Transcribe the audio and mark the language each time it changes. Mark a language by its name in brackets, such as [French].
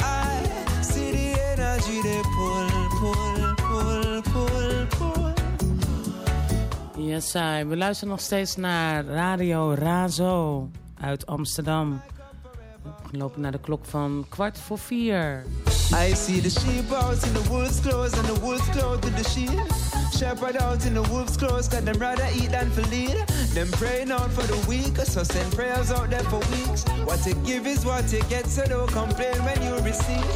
[English] I see the energy they pull, pull, pull, pull, pull. Yes, I. [Dutch] We luisteren nog steeds naar Radio Razo uit Amsterdam. Lopen naar de klok van 4:15. [English] I see the sheep out in the wolf's clothes, and the wolf's clothes with the sheep. Shepherd out in the wolf's clothes, got them rather eat than for lead. Them praying out for the weak, so send prayers out there for weeks. What you give is what you get, so don't complain when you receive.